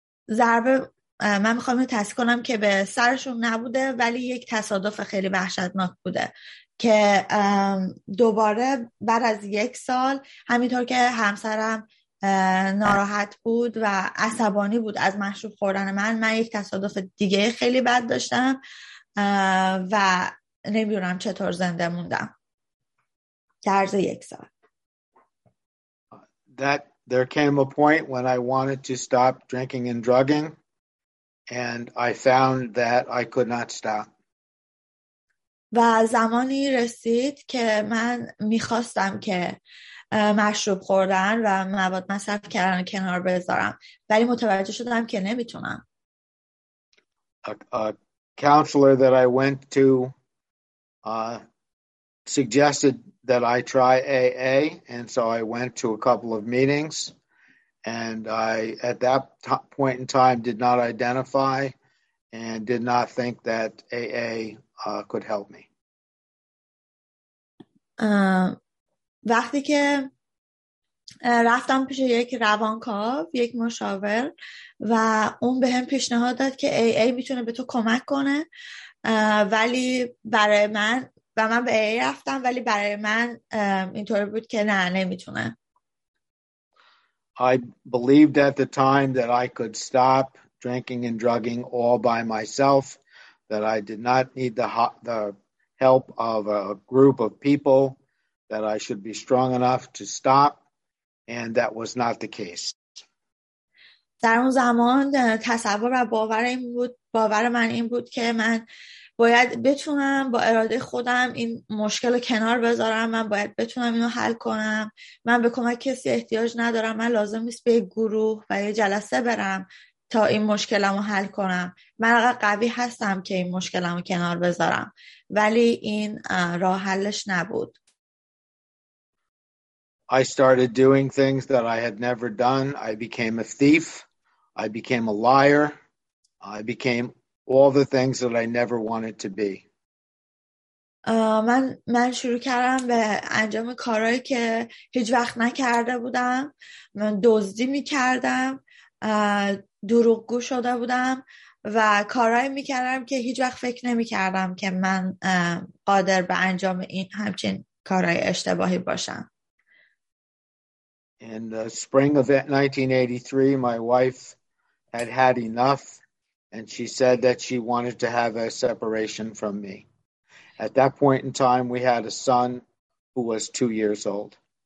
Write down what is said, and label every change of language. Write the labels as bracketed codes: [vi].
[fa] ضربه من میخوام تصدیق کنم که به سرشون نبوده، ولی یک تصادف خیلی وحشتناک بوده که دوباره بعد از یک سال، همینطور که همسرم ناراحت بود و عصبانی بود از مشروب خوردن من یک تصادف دیگه خیلی بد داشتم و نمیدونم چطور زنده موندم در عرض یک سال. [en] There came a point when I wanted to stop drinking and drugging, and I found that I could not stop. [fa] و زمانی رسید که من میخواستم که مشروب خوردن و مواد مصرف کردن کنار بذارم، ولی متوجه شدم که نمیتونم. [en] A counselor that I went to suggested that I try AA, and so I went to a couple of meetings, and I at that point in time did not identify and did not think that AA could help me. [fa] وقتی که رفتم پیش یک روانکاو، یک مشاور، و اون بهم پیشنهاد داد که AA میتونه به تو کمک کنه، ولی برای من و من به AA رفتم، ولی برای من اینطور بود که نه، نمیتونم. [en] I believed at the time that I could stop drinking and drugging all by myself, that I did not need the help of a group of people, that I should be strong enough to stop, and that was not the case. [fa] در اون زمان تصور و باور من این بود که من باید بتونم با اراده خودم این مشکل رو کنار بذارم، من باید بتونم اینو حل کنم، من به کمک کسی احتیاج ندارم، من لازم نیست به یک گروه و یه جلسه برم تا این مشکلمو حل کنم، من اگر قوی هستم که این مشکلمو کنار بذارم، ولی این راه حلش نبود. [en] I started doing things that I had never done. I became a thief. I became a liar. I became all the things that I never wanted to be. [fa] من شروع کردم به انجام کارهایی که هیچ وقت نکرده بودم. من دزدی می‌کردم، دروغگو شده بودم و کارهایی می‌کردم که هیچ وقت فکر نمی‌کردم که من قادر به انجام این همچین کارهای اشتباهی باشم. [en] In the spring of 1983, my wife had enough, and she said that she wanted to have a separation from me. At that point in time, we had a son who was 2 years old.